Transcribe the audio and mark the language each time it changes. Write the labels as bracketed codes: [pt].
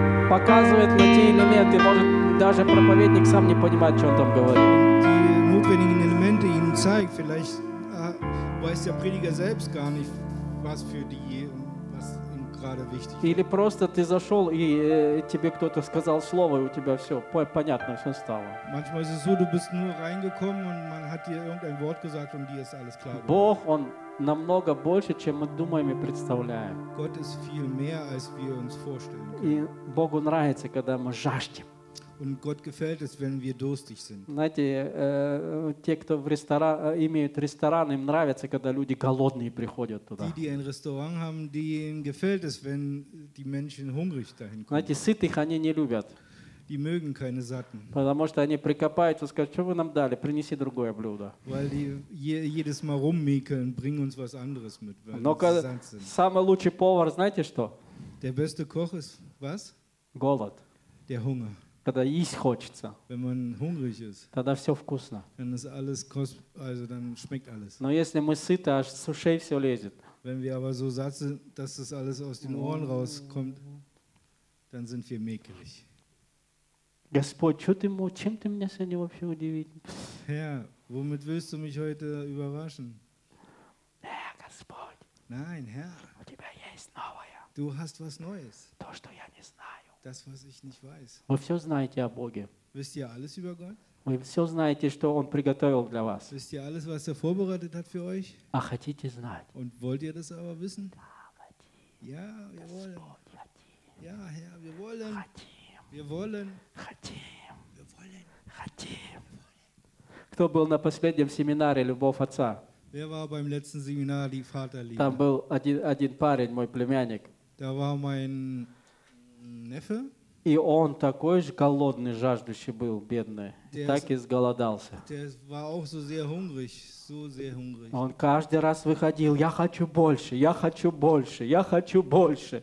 [ru] Показывает на те элементы. Может, даже проповедник сам не понимает, что он там говорит. [de] Zeigt. Vielleicht weiß der Prediger selbst gar nicht, was für die, was ihm gerade wichtig ist. [ru] Или просто ты зашел и тебе кто-то сказал слово и у тебя все понятно все стало. [de] Manchmal ist es so, du bist nur reingekommen und man hat dir irgendein Wort gesagt und dir ist alles klar geworden. [ru] Бог он намного больше, чем мы думаем и представляем. [de] Gott ist viel mehr, als wir uns vorstellen können. [ru] И Богу нравится, когда мы жаждем. [de] Und Gott gefällt es, wenn wir durstig sind. [ru] Знаете, те, кто в ресторан имеют ресторан, им нравится, когда люди голодные приходят туда. [de] Die, die ein Restaurant haben, denen gefällt es, wenn die Menschen hungrig dahin kommen. [ru] Знаете, сытых они не любят. [de] Die mögen keine Satten. [ru] Потому что они прикопаются, скажут, что вы нам дали, принеси другое блюдо. [de] Weil die jedes Mal rummäkeln, bring uns was anderes mit, weil [ru] Но [de] sie satt sind. [ru] Самый лучший повар, знаете что? [de] Der beste Koch ist was? [ru] Голод. [de] Der Hunger. [ru] Когда есть хочется, [de] wenn man hungrig ist, [ru] тогда все вкусно. [de] Wenn es alles kostet, also dann schmeckt alles. [ru] Но если мы сыты, аж с ушей все лезет. [de] Wenn wir aber so satt sind, dass das alles aus den Ohren rauskommt, dann sind wir mäkelig. [ru] Господь, чем ты меня сегодня вообще удивить? [de] Herr, womit willst du mich heute überraschen? Herr, [ru] Господь. [de] Nein, Herr. [ru] У тебя есть новое. [de] Du hast was Neues. [ru] То, что я не знаю. [de] Das, was ich nicht weiß. [ru] Вы все знаете о Боге. [de] Wisst ihr alles über Gott? [ru] Вы все знаете, что Он приготовил для вас. [de] Wisst ihr alles, was er vorbereitet hat für euch? [ru] А хотите знать? [de] Und wollt ihr das aber wissen? Ja, wir wollen. Ja, Herr, wir wollen. [ru] Хотим. [de] Wir wollen. [ru] Хотим. [de] Wir wollen. [ru] Хотим. Кто был на последнем семинаре «Любовь Отца»? [de] Wer war beim letzten Seminar die Vaterliebe? [ru] Там был один парень, мой племянник. [de] Da war mein [ru] И он такой же голодный, жаждущий был, бедный. [de] Der [ru] так и сголодался. [de] War auch so sehr hungrig, so sehr hungrig. [ru] Он каждый раз выходил, я хочу больше, я хочу больше, я хочу больше.